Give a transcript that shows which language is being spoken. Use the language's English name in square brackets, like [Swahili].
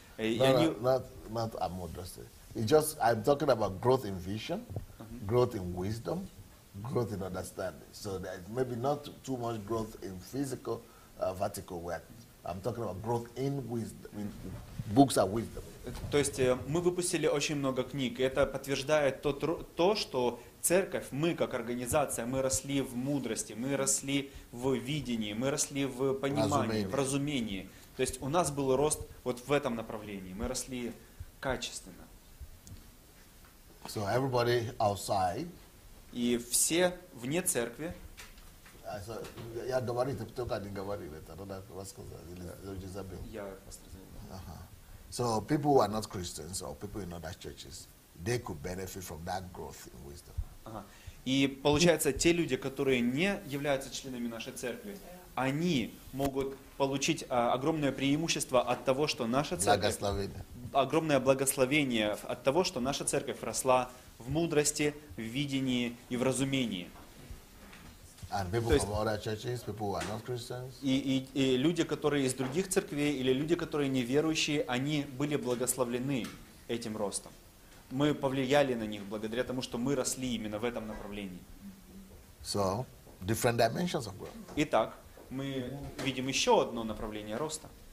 [English] Not [Russian] о мудрости. [English] It's just, I'm talking about growth in vision, growth in wisdom, growth in understanding. So there's maybe not too much growth in physical, vertical work. I'm talking about growth in wisdom, in books of wisdom. [Russian] То есть мы выпустили очень много книг, и это подтверждает то, что церковь, мы как организация, мы росли в мудрости, мы росли в видении, мы росли в понимании, в разумении. То есть у нас был рост вот в этом направлении, мы росли качественно. [English] So everybody outside. [Russian] И все вне церкви. Я говорил, ты только не говорил это, но так рассказал, или уже забыл. Я рассказал. [English] So people who are not Christians or people in other churches, they could benefit from that growth in wisdom. [Russian] И получается, те люди, которые не являются членами нашей церкви, они могут получить огромное преимущество от того, что наша церковь, огромное благословение от того, что наша церковь росла в мудрости, в видении и в разумении. [English] And people from other churches, people who are not Christians. [Russian] И люди, которые из других церквей или люди, которые неверующие, они были благословлены этим ростом. Мы повлияли на них благодаря тому, что мы росли именно в этом направлении. [English] So, different dimensions of growth. [Russian] Итак, мы видим еще одно направление роста.